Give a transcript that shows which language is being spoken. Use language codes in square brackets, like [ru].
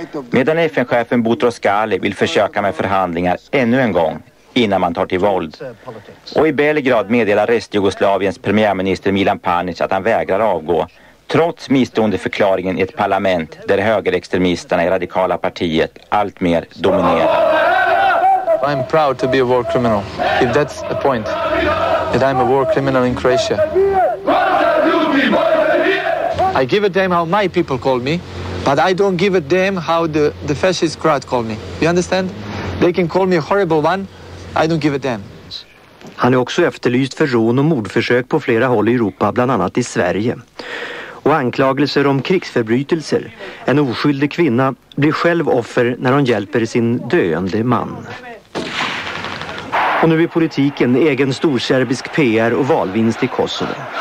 [sv] Medan FN-chefen Boutros Ghali vill försöka med förhandlingar ännu en gång innan man tar till våld. Och i Belgrad meddelar Restjugoslaviens premiärminister Milan Panic att han vägrar avgå. Trots misstroende förklaringen i ett parlament där högerextremisterna i radikala partiet allt mer dominerar. [en] I'm proud to be a war criminal. If that's the point, that I'm a war criminal in Croatia. I give a damn how my people call me, but I don't give a damn how the fascist crowd call me. You understand? They can call me a horrible one, I don't give a damn. [sv] Han är också efterlyst för rån och mordförsök på flera håll i Europa, bland annat i Sverige. Och anklagelser om krigsförbrytelser. En oskyldig kvinna blir själv offer när hon hjälper sin döende man. Och nu är politiken egen storserbisk PR och valvinst i Kosovo.